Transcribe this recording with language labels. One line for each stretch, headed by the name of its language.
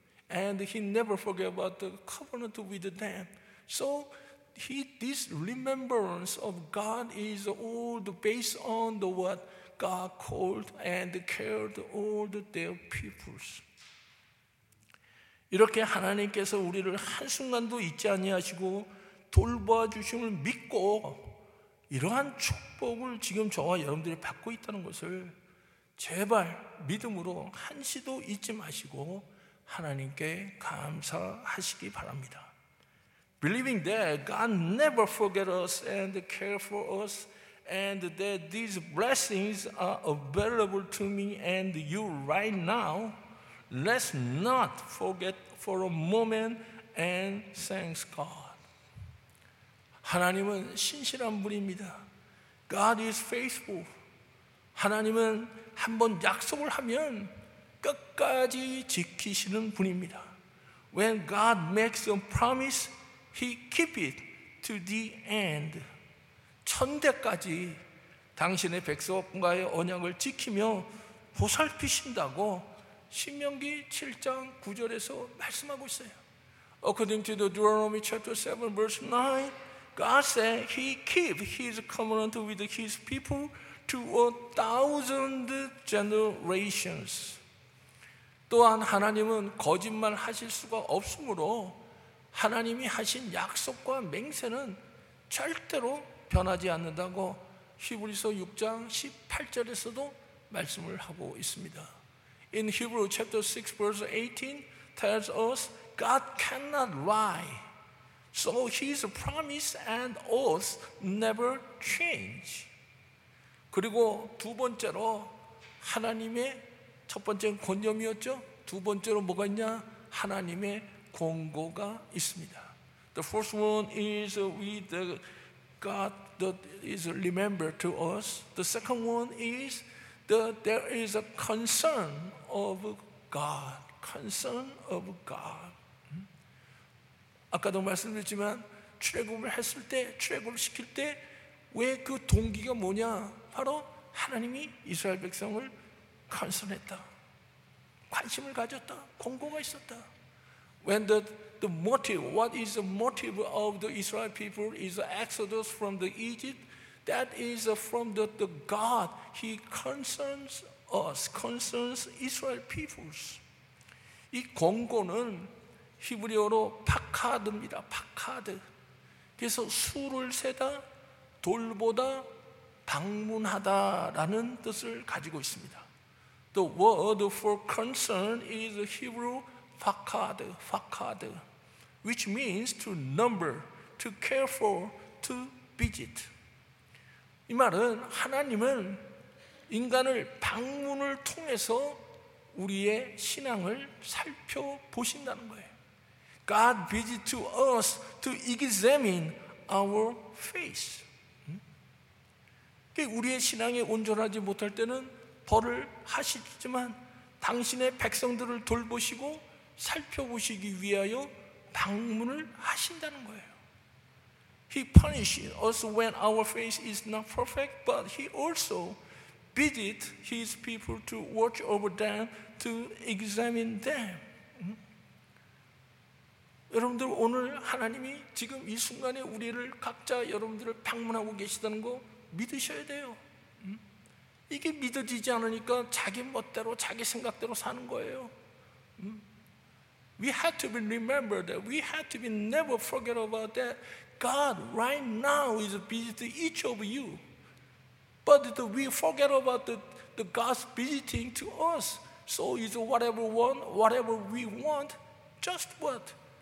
English: And he never forget about the covenant with them. So this remembrance of God is all based on the what God called and cared all their peoples.
Korean: 이렇게 하나님께서 우리를 한순간도 잊지 아니하시고 돌봐주심을 믿고 이러한 축복을 지금 저와 여러분들이 받고 있다는 것을 제발 믿음으로 한시도 잊지 마시고 하나님께 감사하시기 바랍니다.
English: Believing that God never forget us and care for us and that these blessings are available to me and you right now, let's not forget for a moment and thanks God.
Korean: 하나님은 신실한 분입니다.
English: God is faithful.
Korean: 하나님은 한번 약속을 하면 끝까지 지키시는 분입니다.
English: When God makes a promise, he keep it to the end.
Korean: 천대까지 당신의 백성과의 언약을 지키며 보살피신다고 신명기 7장 9절에서 말씀하고 있어요.
English: According to the Deuteronomy chapter 7 verse 9, God said he keep his covenant with his people to a thousand generations.
Korean: 또한 하나님은 거짓말 하실 수가 없으므로 하나님이 하신 약속과 맹세는 절대로 변하지 않는다고 히브리서 6장 18절에서도 말씀을 하고 있습니다.
English: In Hebrews chapter 6 verse 18 tells us God cannot lie. So his promise and oath never change.
Korean: 그리고 두 번째로 하나님의 첫 번째는 권념이었죠. 두 번째로 뭐가 있냐? 하나님의 권고가 있습니다.
English: The first one is with the God that is remembered to us. The second one is that there is a concern of God. Concern of God.
Korean: 아까도 말씀드렸지만 출애굽을 했을 때, 출애굽을 시킬 때 왜 그 동기가 뭐냐? 바로 하나님이 이스라엘 백성을 concern했다. 관심을 가졌다. 권고가 있었다.
English: When the motive, what is the motive of the Israel people is the Exodus from the Egypt, that is from the God. He concerns us, concerns Israel peoples.
Korean: 이 권고는 히브리어로 파카드입니다. 파카드. 그래서 수를 세다, 돌보다, 방문하다라는 뜻을 가지고 있습니다.
English: The word for concern is Hebrew Fakad, Fakad, which means to number, to care for, to visit.
Korean: 이 말은 하나님은 인간을 방문을 통해서 우리의 신앙을 살펴보신다는 거예요.
English: God visit to us to examine our faith.
Korean: 우리의 신앙이 온전하지 못할 때는 벌을 하시지만 당신의 백성들을 돌보시고 살펴보시기 위하여 방문을 하신다는 거예요.
English: He punishes us when our faith is not perfect, but he also bids his people to watch over them, to examine them.
Korean: 여러분들 오늘 하나님이 지금 이 순간에 우리를 각자 여러분들을 방문하고 계시다는 거 믿으셔야 돼요. 이게 믿어지지 않으니까 자기 멋대로 자기 생각대로 사는 거예요.
English: We have to be remembered. We have to be never forget about that. God right now is visiting each of you. But we forget about the God's visiting to us. So it's whatever one, whatever we want, just what?